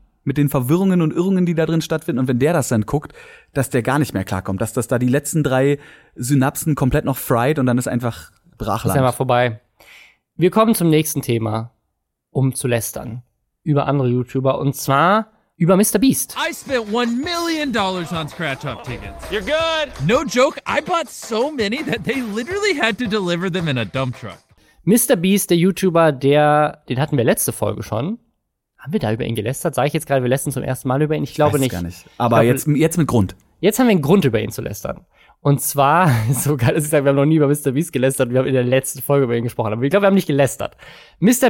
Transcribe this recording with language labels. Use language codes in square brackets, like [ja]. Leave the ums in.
[de] Mit den Verwirrungen und Irrungen, die da drin stattfinden. Und wenn der das dann guckt, dass der gar nicht mehr klarkommt. Dass das da die letzten drei Synapsen komplett noch fried und dann ist einfach Brachland. Das ist einfach ja vorbei. Wir kommen zum nächsten Thema um zu lästern über andere YouTuber und zwar über Mr. Beast. [en] No joke, I bought so many that they literally had to deliver them in a dump truck. [de] Mr. Beast, der YouTuber, der, den hatten wir letzte Folge schon. Haben wir da über ihn gelästert? Sag ich jetzt gerade, wir lästern zum ersten Mal über ihn? Ich glaube ich nicht. nicht. Aber glaube, jetzt, jetzt mit Grund. Jetzt haben wir einen Grund, über ihn zu lästern. Und zwar, so geil dass ich es, wir haben noch nie über Mr. Beast gelästert. Wir haben in der letzten Folge über ihn gesprochen. Aber ich glaube, wir haben nicht gelästert. Mr.